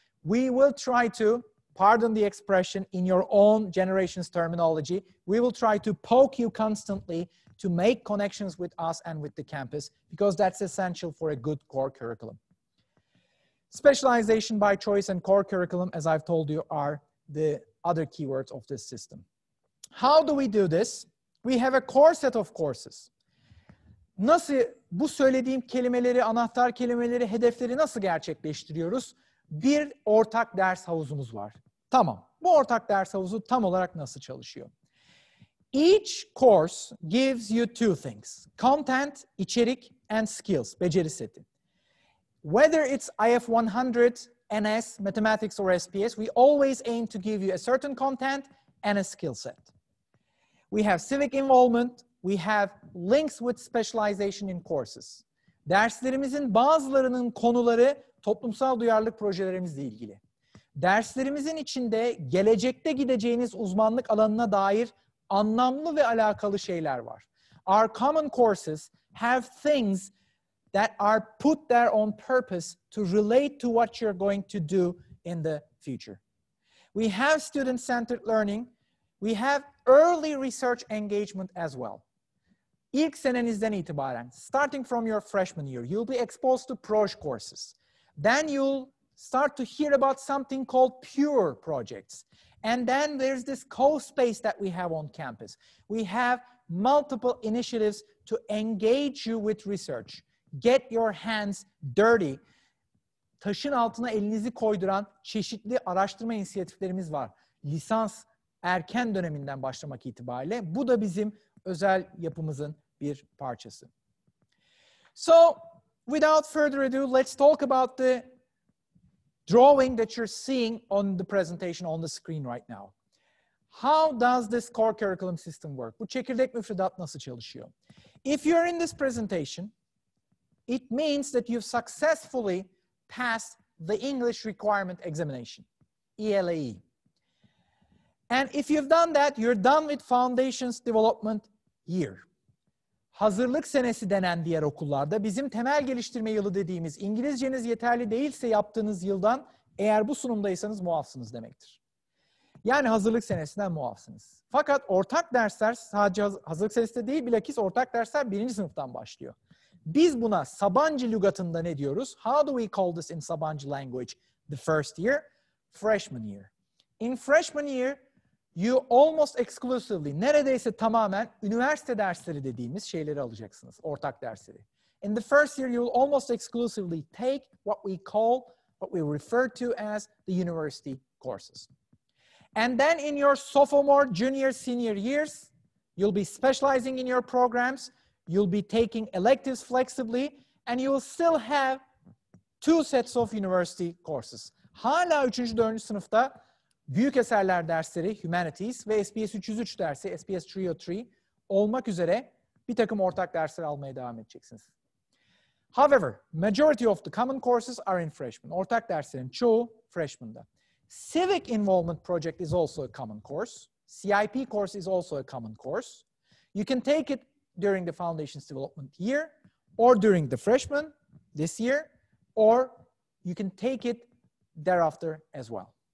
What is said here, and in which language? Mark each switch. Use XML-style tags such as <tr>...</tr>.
<en>We will try to, pardon the expression, in your own generation's terminology, we will try to poke you constantly to make connections with us and with the campus, because that's essential for a good core curriculum. Specialization by choice and core curriculum, as I've told you, are the other keywords of this system. How do we do this? We have a core set of courses.</en> <tr>Nasıl bu söylediğim kelimeleri, anahtar kelimeleri, hedefleri nasıl gerçekleştiriyoruz? Bir ortak ders havuzumuz var. Tamam. Bu ortak ders havuzu tam olarak nasıl çalışıyor?</tr> <en>Each course gives you two things. Content,</en> <tr>içerik,</tr> <en>and skills,</en> <tr>beceri seti.</tr> <en>Whether it's IF100, NS, Mathematics, or SPS, we always aim to give you a certain content and a skill set. We have civic involvement. We have links with specialization in courses.</en> <tr>Derslerimizin bazılarının konuları toplumsal duyarlılık projelerimizle ilgili. Derslerimizin içinde gelecekte gideceğiniz uzmanlık alanına dair anlamlı ve alakalı şeyler var.</tr> <en>Our common courses have things that are put there on purpose to relate to what you're going to do in the future. We have student-centered learning. We have early research engagement as well.</en> <tr>İlk senenizden itibaren,</tr> <en>starting from your freshman year, you'll be exposed to proj courses. Then you'll start to hear about something called pure projects. And then there's this co-space that we have on campus. We have multiple initiatives to engage you with research. Get your hands dirty.</en> <tr>Taşın altına elinizi koyduran çeşitli araştırma inisiyatiflerimiz var. Lisans erken döneminden başlamak itibariyle. Bu da bizim özel yapımızın bir parçası.</tr> <en>So, without further ado, let's talk about the drawing that you're seeing on the presentation on the screen right now. How does this core curriculum system work?</en> <tr>Bu çekirdek müfredat nasıl çalışıyor?</tr> <en>If you're in this presentation, it means that you've successfully passed the English requirement examination, ELAE. And if you've done that, you're done with foundations development year.</en> <tr>Hazırlık senesi denen diğer okullarda bizim temel geliştirme yılı dediğimiz İngilizceniz yeterli değilse yaptığınız yıldan eğer bu sunumdaysanız muafsınız demektir. Yani hazırlık senesinden muafsınız. Fakat ortak dersler sadece hazırlık senesinde değil bilakis ortak dersler birinci sınıftan başlıyor. Biz buna Sabancı lügatında ne diyoruz?</tr> <en>How do we call this in Sabancı language? The first year? Freshman year. In freshman year, you almost exclusively,</en> <tr>neredeyse tamamen üniversite dersleri dediğimiz şeyleri alacaksınız, ortak dersleri.</tr> <en>In the first year, you will almost exclusively take what we call, what we refer to as the university courses. And then in your sophomore, junior, senior years, you'll be specializing in your programs, you'll be taking electives flexibly, and you will still have two sets of university courses.</en> <tr>Hala üçüncü, dördüncü sınıfta büyük eserler dersleri, humanities ve SPS 303 dersi, SPS 303 olmak üzere bir takım ortak dersler almaya devam edeceksiniz.</tr> <en>However, majority of the common courses are in freshman.</en> <tr>Ortak derslerin çoğu freshman'da.</tr> <en>Civic involvement project is also a common course. CIP course is also a common course. You can take it during the foundations development year or during the freshman this year, or you can take it thereafter as well.</en>